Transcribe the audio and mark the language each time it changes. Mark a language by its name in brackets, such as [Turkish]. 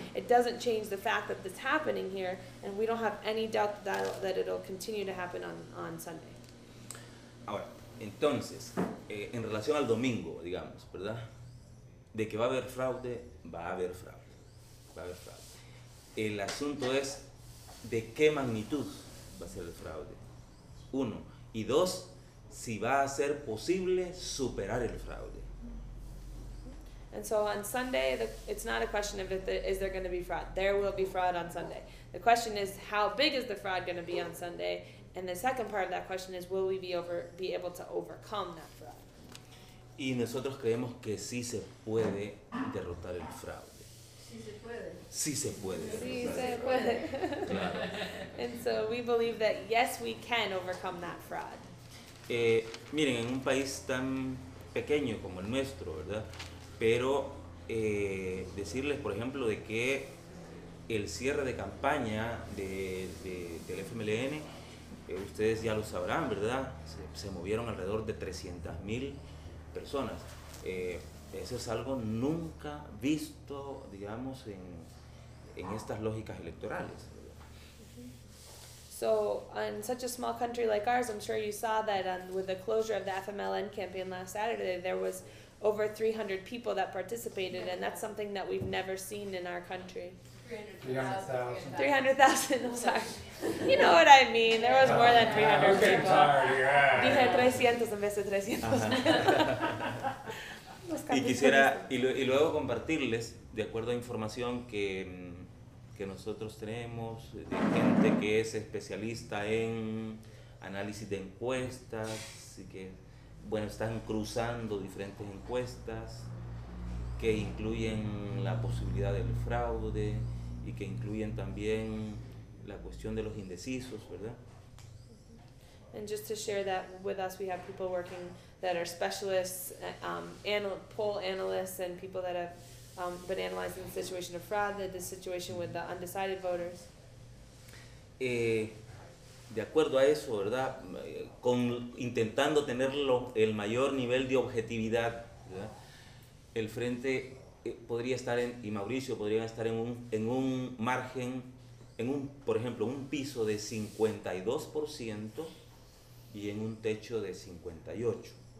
[English] It doesn't change the fact that it's happening here, and we don't have any doubt that it'll continue to happen on Sunday. [Spanish] Ahora, entonces, en relación al domingo, digamos, ¿verdad? De que va a haber fraude, va a haber fraude, va a haber fraude. El asunto es de qué magnitud va a ser el fraude, 1. Y 2, si va a ser posible superar el fraude. [English] And so on Sunday, it's not a question of is there going to be fraud. There will be fraud on Sunday. The question is, how big is the fraud going to be on Sunday? And the second part of that question is, will we be able to overcome that fraud? [Spanish] Y nosotros creemos que sí se puede derrotar el fraude. Sí se puede. Sí se puede. Sí se puede. Claro. [English] And so we believe that yes, we can overcome that fraud. [Spanish] Miren, en un país tan pequeño como el nuestro, ¿verdad? Pero decirles, por ejemplo, de que el cierre de campaña del FMLN, ustedes ya lo sabrán, ¿verdad? Se movieron alrededor de 300,000 personas. Eso es algo nunca visto, digamos, en estas lógicas electorales. [English] So, in such a small country like ours, I'm sure you saw that with the closure of the FMLN campaign last Saturday, there was over 300 people that participated, and that's something that we've never seen in our country. 300,000. 300,000, I'm sorry. You know what I mean. There was more than 300 okay, people. Sorry, yeah. [Spanish] Dije 300 en vez de 300. Y quisiera, y luego compartirles, de acuerdo a información que nosotros tenemos, de gente que es especialista en análisis de encuestas, y que, bueno, están cruzando diferentes encuestas que incluyen la posibilidad del fraude y que incluyen también la cuestión de los indecisos, ¿verdad? [English] And just to share that with us, we have people working that are specialists, poll analysts, and people that have been analyzing the situation of fraud, the situation with the undecided voters. [Spanish] De acuerdo a eso, ¿verdad? Con, intentando tener lo, el mayor nivel de objetividad, ¿verdad? El frente podría estar en, y Mauricio podría estar en un margen, en un, por ejemplo, un piso de 52%, y en un techo de 58.